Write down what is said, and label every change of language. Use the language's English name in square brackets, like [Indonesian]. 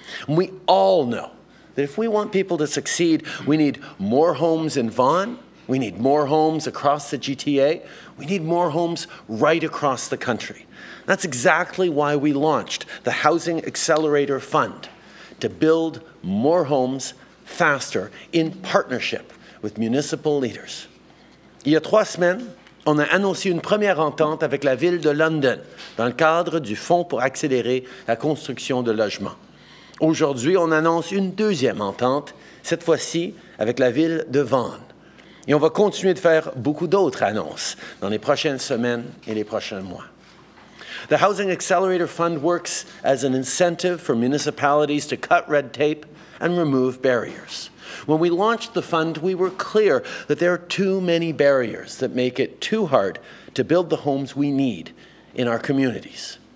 [English] And we all know that if we want people to succeed, we need more homes in Vaughan, we need more homes across the GTA, we need more homes right across the country. That's exactly why we launched the Housing Accelerator Fund, to build more homes faster in partnership with municipal leaders. [French] Il y a trois semaines, on a annoncé une première entente avec la ville de London dans le cadre du fonds pour accélérer la construction de logements. Aujourd'hui, on annonce une deuxième entente, cette fois-ci avec la ville de Vaughan. Et on va continuer de faire beaucoup d'autres annonces dans les prochaines semaines et les prochains mois. [English] The Housing Accelerator Fund works as an incentive for municipalities to cut red tape and remove barriers. When we launched the fund, we were clear that there are too many barriers that make it too hard to build the homes we need in our communities.